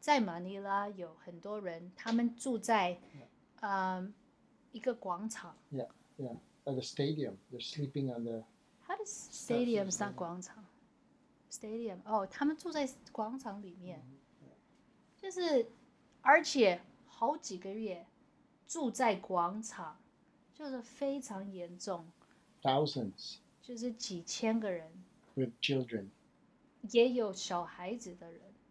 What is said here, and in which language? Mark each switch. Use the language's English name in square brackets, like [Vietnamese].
[Chinese] 在马尼拉有很多人他们住在一个广场。 [English] Yeah, at the stadium. They're sleeping on the... How does stadium sound 广场 stadium? [Chinese] Oh, 他们住在广场里面、mm-hmm. yeah. 就是而且好几个月住在广场，就是非常严重。 [English] Thousands. [Chinese] 就是几千个人。 [English] With children. [Chinese] 也有小孩子的人。